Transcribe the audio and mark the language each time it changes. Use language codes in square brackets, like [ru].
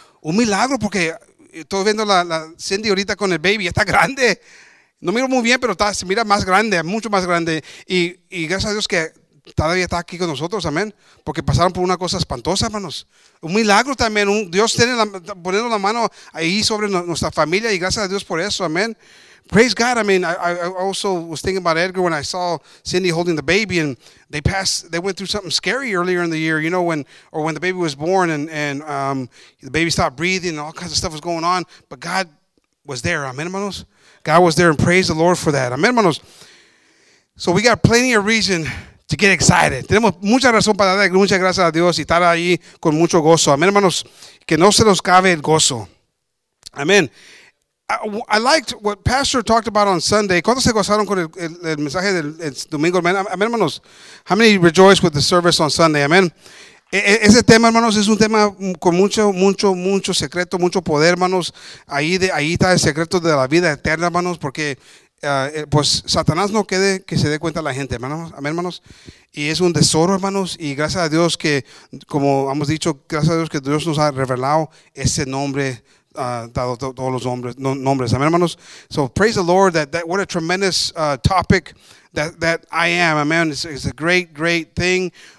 [es] Un milagro, porque estoy viendo la Cindy ahorita con el baby. Está grande. No miro muy bien, pero se mira más grande, mucho más grande. Y gracias a Dios que todavía está aquí con nosotros, amén. Porque pasaron por una cosa espantosa, hermanos. Un milagro también. Dios tiene poniendo la mano ahí sobre nuestra familia. Y gracias a Dios por eso, amén. [en] Praise God. I mean, I also was thinking about Edgar when I saw Cindy holding the baby, and they went through something scary earlier in the year, you know, when the baby was born and the baby stopped breathing and all kinds of stuff was going on. But God was there. Amen, hermanos. God was there, and praise the Lord for that. Amen, hermanos. So we got plenty of reason to get excited. [es] Tenemos mucha razón para darle muchas gracias a Dios y estar ahí con mucho gozo. Amen, hermanos. Que no se nos cabe el gozo. Amen. [en] I liked what Pastor talked about on Sunday. [es] ¿Cuántos se gozaron con el mensaje del domingo? Amen, hermanos. [en] How many rejoiced with the service on Sunday? Amen. [es] Ese tema, hermanos, es un tema con mucho, mucho, mucho secreto, mucho poder, hermanos. Ahí está el secreto de la vida eterna, hermanos, porque pues Satanás no quede que se dé cuenta la gente, hermanos. Amen, hermanos. Y es un tesoro, hermanos. Y gracias a Dios que, como hemos dicho, gracias a Dios que Dios nos ha revelado ese nombre, dado todos los nombres. Amen, hermanos. [en] So praise the Lord that what a tremendous topic that I am. Amen. It's a great, great thing.